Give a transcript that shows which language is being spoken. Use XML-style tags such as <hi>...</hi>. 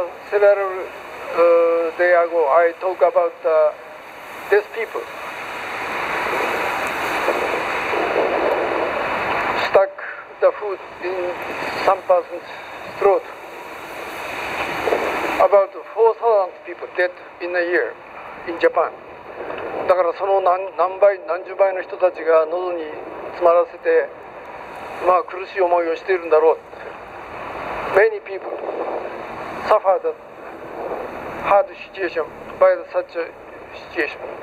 <en>Several days ago I talk about the deaf people stuckthe food in some person's throat. About 4,000 people dead in a year in Japan.</en> <ja>だからその 何十倍の人たちが喉に詰まらせて、まあ苦しい思いをしているんだろう。</ja> <en>Many people suffered a hard situation by such a situation.</en>